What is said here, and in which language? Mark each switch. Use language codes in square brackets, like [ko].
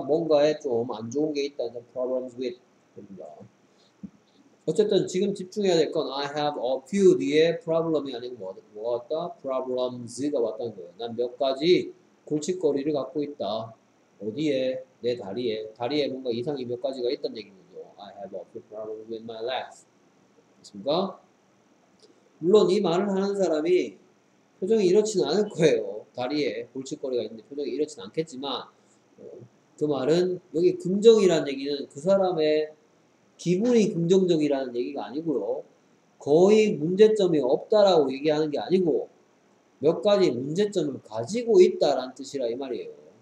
[ko] 뭔가에 좀 안 좋은 게 있다면 [en] Problems with [ko] 됩니다. 어쨌든 지금 집중해야 될 건 [en] I have a few [ko] 뒤에 problem이 아닌 뭐 같다? Problems가 왔다는 거예요. 난 몇 가지 골칫거리를 갖고 있다. 어디에? 내 다리에. 다리에 뭔가 이상이 몇 가지가 있다는 얘기거든요. [en] I have a few problems with my legs. [ko] 됐습니까? 물론 이 말을 하는 사람이 표정이 이렇지는 않을 거예요. 다리에 골칫거리가 있는데 표정이 이렇지는 않겠지만 그 말은 여기 긍정이라는 얘기는 그 사람의 기분이 긍정적이라는 얘기가 아니고요. 거의 문제점이 없다라고 얘기하는 게 아니고 몇 가지 문제점을 가지고 있다라는 뜻이라 이 말이에요.